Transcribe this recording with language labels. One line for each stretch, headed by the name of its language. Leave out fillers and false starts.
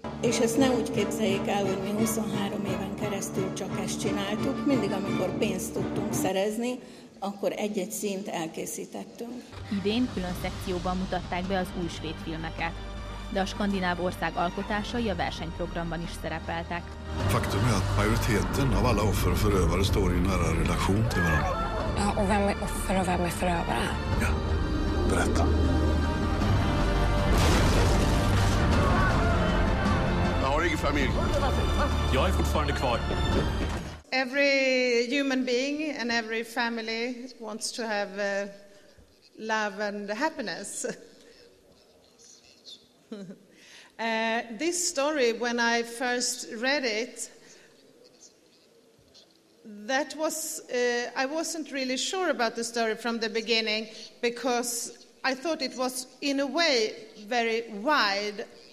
Hungarian: És ezt ne úgy képzeljék el, hogy mi 23 éven keresztül csak ezt csináltuk, mindig amikor pénzt tudtunk szerezni, akkor egy-egy színt elkészítettünk. Idén külön szekcióban mutatták be az új svéd filmeket, de a skandináv ország alkotásai a versenyprogramban is szerepeltek.
Swedish: Faktum är att majoriteten av alla offer och förövare står i nära relation till varandra. Ja, och vem är offer och vem är förövare? Ja, berätta. Jag har ingen familj. Jag är fortfarande kvar.
English: Every human being and every family wants to have love and happiness. This story, when I first read it, that was I wasn't really sure about the story from the beginning, because I thought it was in a way very wide.